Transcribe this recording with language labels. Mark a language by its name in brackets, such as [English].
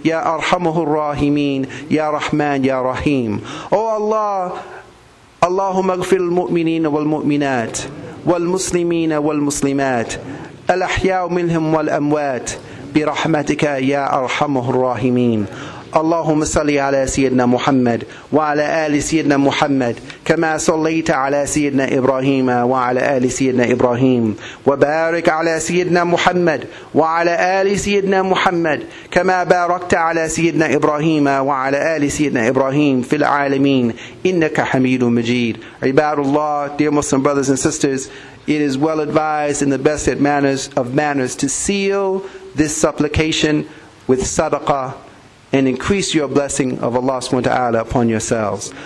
[Arabic] Ya Arhamahur Rahimeen, Ya Rahman, Ya Rahim. Oh Allah, Allahumma aghfir al-mu'mineen wal-mu'minat, wal-muslimeen wal-muslimat, al-ahya'u minhum wal-amwat, برحمتك يا أرحم الراحمين. اللهم صل على سيدنا محمد وعلى آل سيدنا محمد كما صليت على سيدنا إبراهيم وعلى آل سيدنا إبراهيم وبارك على سيدنا محمد وعلى آل سيدنا محمد كما باركت على سيدنا إبراهيم وعلى آل سيدنا إبراهيم في العالمين إنك حميد مجيد. عباد الله, [English] dear Muslim brothers and sisters, it is well advised in the best manners to seal this supplication with sadaqah and increase your blessing of Allah subhanahu wa ta'ala upon yourselves.